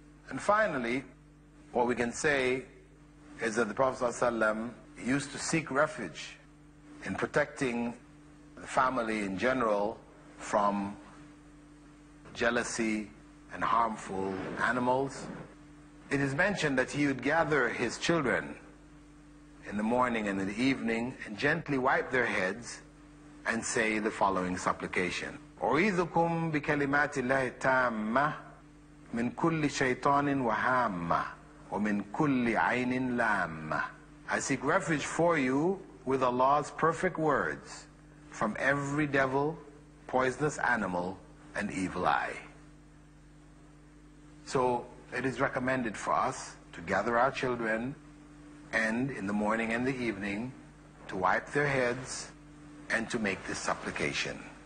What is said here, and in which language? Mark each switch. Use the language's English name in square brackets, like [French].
[English] And finally, what we can say is that the Prophet ﷺ used to seek refuge in protecting the family in general from jealousy and harmful animals. It is mentioned that he would gather his children in the morning and in the evening and gently wipe their heads and say the following supplication. [Arabic] أعيذكم بكلمات الله التامة من كل شيطان وهامة ومن كل عين لامة. [English] I seek refuge for you with Allah's perfect words from every devil, poisonous animal, and evil eye. So it is recommended for us to gather our children and in the morning and the evening to wipe their heads and to make this supplication.